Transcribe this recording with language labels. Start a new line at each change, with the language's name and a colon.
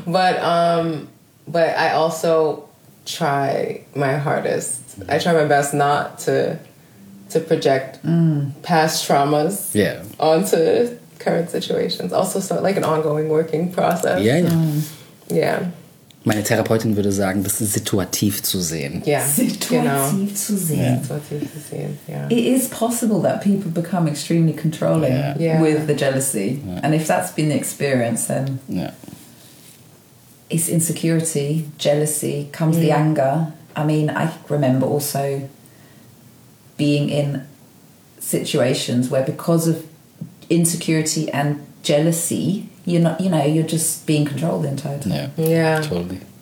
English: But I also try my hardest. Mm-hmm. I try my best not to project past traumas onto current situations. Also, so like an ongoing working process. Yeah, yeah. Yeah.
German: Meine Therapeutin würde sagen, das ist situativ zu sehen.
English: Yeah.
German: Situativ zu sehen.
English: It is possible that people become extremely controlling with the jealousy. Yeah. And if that's been the experience, then it's insecurity, jealousy, comes the anger. I mean, I remember also being in situations where because of insecurity and jealousy, you're not, you know, you're just being controlled the entire time.